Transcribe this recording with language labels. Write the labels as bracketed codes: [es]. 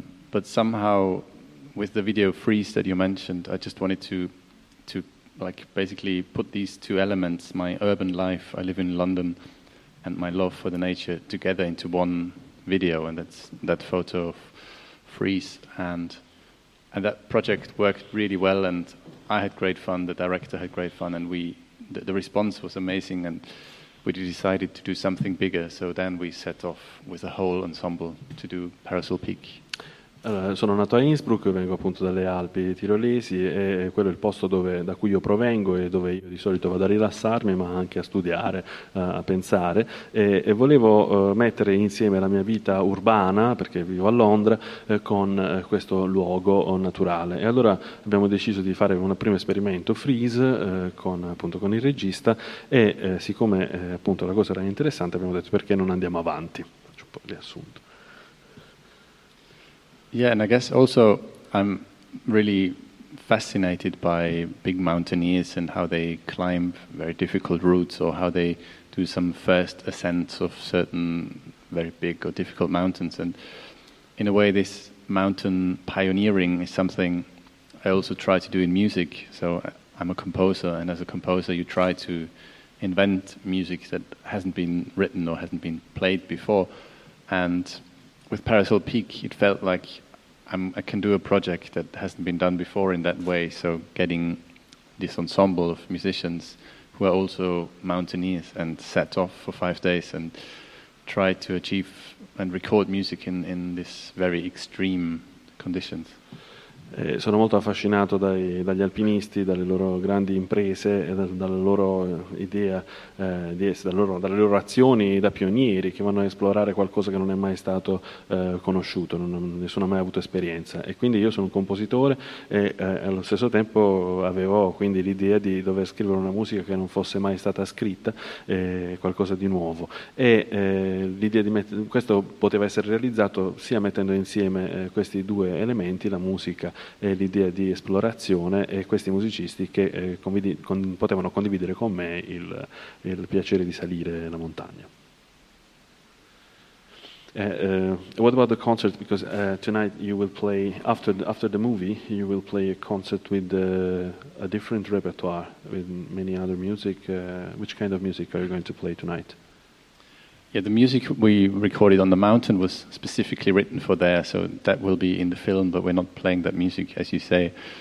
[en] But somehow, with the video freeze that you mentioned, I just wanted to like basically put these two elements, my urban life, I live in London, and my love for the nature together into one video, and that's that photo of freeze. And that project worked really well, and I had great fun, the director had great fun, and the response was amazing, and we decided to do something bigger. So then we set off with a whole ensemble to do Parasol Peak. [it] Sono nato a Innsbruck, vengo appunto dalle Alpi tirolesi, e quello è il posto da cui io provengo e dove io di solito vado a rilassarmi, ma anche a studiare, a pensare, e volevo mettere insieme la mia vita urbana, perché vivo a Londra, con questo luogo naturale. E allora abbiamo deciso di fare un primo esperimento freeze con il regista, e siccome appunto la cosa era interessante, abbiamo detto perché non andiamo avanti. Faccio un po' di assunto. [en] Yeah, and I guess also I'm really fascinated by big mountaineers and how they climb very difficult routes, or how they do some first ascents of certain very big or difficult mountains. And in a way, this mountain pioneering is something I also try to do in music. So I'm a composer, and as a composer, you try to invent music that hasn't been written or hasn't been played before. And with Parasol Peak, it felt like I can do a project that hasn't been done before in that way. So getting this ensemble of musicians who are also mountaineers and set off for 5 days and try to achieve and record music in this very extreme conditions. [it] Sono molto affascinato dagli alpinisti, dalle loro grandi imprese, dalla loro idea di essere, dalle loro azioni da pionieri che vanno a esplorare qualcosa che non è mai stato conosciuto, nessuno ha mai avuto esperienza. E quindi io sono un compositore e allo stesso tempo avevo quindi l'idea di dover scrivere una musica che non fosse mai stata scritta, qualcosa di nuovo. E l'idea di questo poteva essere realizzato sia mettendo insieme questi due elementi, la musica e l'idea di esplorazione, e questi musicisti che potevano condividere con me il piacere di salire la montagna. [en] What about the concert? Because tonight you will play, after the movie, you will play a concert with a different repertoire, with many other music. Which kind of music are you going to play tonight? Yeah, the music we recorded on the mountain was specifically written for there, so that will be in the film, but we're not playing that music, as you say.